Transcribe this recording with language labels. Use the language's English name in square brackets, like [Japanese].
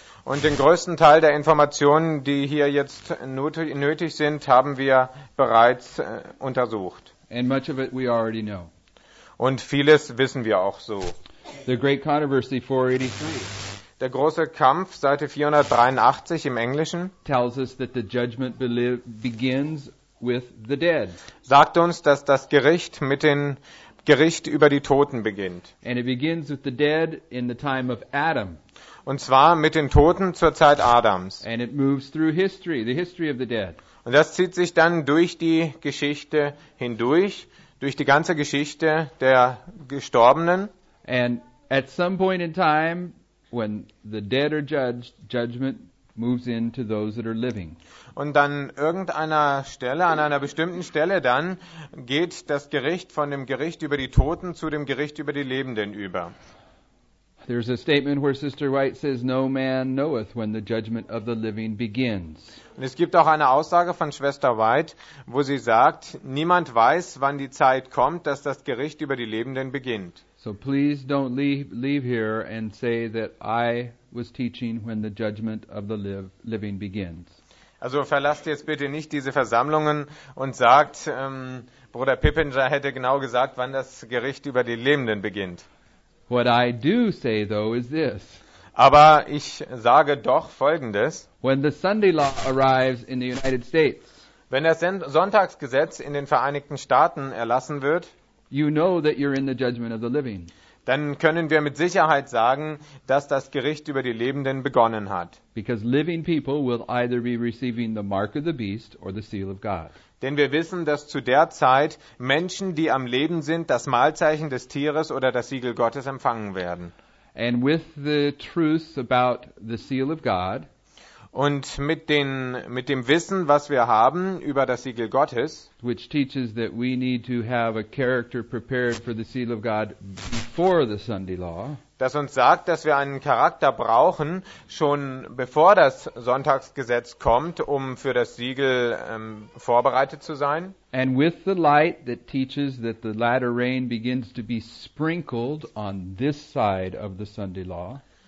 [German] Und den größten Teil der Informationen, die hier jetzt nötig sind, haben wir bereits untersucht. [English] And much of it we already know. [German] Und vieles wissen wir auch so. [English] The Great Controversy 483. [German] Der große Kampf, Seite 483 im Englischen, [English] tells us that the judgment begins with the dead. [German] Sagt uns, dass das Gericht mit dem Gericht über die Toten beginnt. [English] And it begins with the dead in the time of Adam. [German] Und zwar mit den Toten zur Zeit Adams. [English] And it moves through history, the history of the dead. [German] Und das zieht sich dann durch die Geschichte hindurch, durch die ganze Geschichte der Gestorbenen. [English] And at some point in time, when the dead are judged, judgment moves into those that are living. [German] Und dann irgendeiner Stelle, an einer bestimmten Stelle dann, geht das Gericht von dem Gericht über die Toten zu dem Gericht über die Lebenden über. [English] There's a statement where Sister White says, "No man knoweth when the judgment of the living begins." [German] Und es gibt auch eine Aussage von Schwester White, wo sie sagt, niemand weiß, wann die Zeit kommt, dass das Gericht über die Lebenden beginnt. [English] So please don't leave here and say that I was teaching when the judgment of the living begins. [German] Also verlasst jetzt bitte nicht diese Versammlungen und sagt, Bruder Pippinger hätte genau gesagt, wann das Gericht über die Lebenden beginnt. [English] What I do say though is this. [German] Aber ich sage doch Folgendes. [English] When the Sunday law arrives in the United States. [German] Wenn das Sonntagsgesetz in den Vereinigten Staaten erlassen wird, [English] you know that you're in the judgment of the living. [German] Dann können wir mit Sicherheit sagen, dass das Gericht über die Lebenden begonnen hat. [English] Because living people will either be receiving the mark of the beast or the seal of God. [German] Denn wir wissen, dass zu der Zeit Menschen, die am Leben sind, das Malzeichen des Tieres oder das Siegel Gottes empfangen werden. [English] And with the truth about the seal of God, [German] und mit dem Wissen, was wir haben über das Siegel Gottes, [English] which teaches that we need to have a character prepared for the seal of God before the Sunday law, [German] das uns sagt, dass wir einen Charakter brauchen, schon bevor das Sonntagsgesetz kommt, um für das Siegel vorbereitet zu sein. [English] And with the light that teaches that the latter rain begins to be sprinkled on this side of the Sunday law.